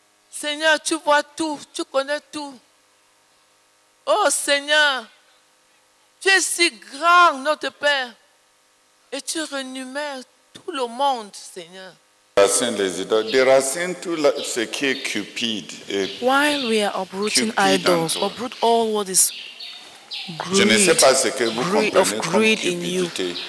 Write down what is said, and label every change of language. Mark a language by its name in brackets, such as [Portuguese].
[French] Seigneur, tu vois tout, tu connais tout. Oh, Seigneur, tu es si grand, notre Père, et tu renumères tout le monde, Seigneur. Déracine les idoles, déracine tout ce qui est cupide. [English] While we are uprooting idols, uproot all what is greed. [French] Je ne sais pas ce que vous comprenez comme cupidité.